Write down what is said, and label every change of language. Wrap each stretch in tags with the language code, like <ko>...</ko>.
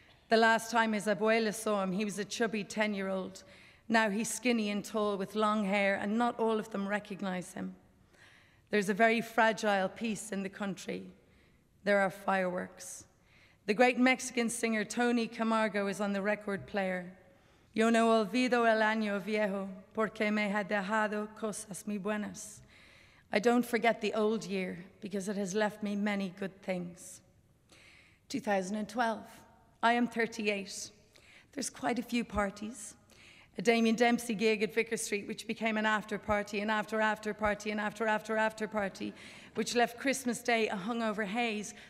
<en>The last time his abuela saw him, he was a chubby 10-year-old. Now he's skinny and tall with long hair, and not all of them recognize him. There's a very fragile peace in the country. There are fireworks. The great Mexican singer Tony Camargo is on the record player.</en> <es>Yo no olvido el año viejo porque me ha dejado cosas muy buenas.</es> <en>I don't forget the old year because it has left me many good things. 2012, I am 38. There's quite a few parties. A Damien Dempsey gig at Vicar Street, which became an after party, an after after party, an after after after party, which left Christmas Day a hungover haze.</en>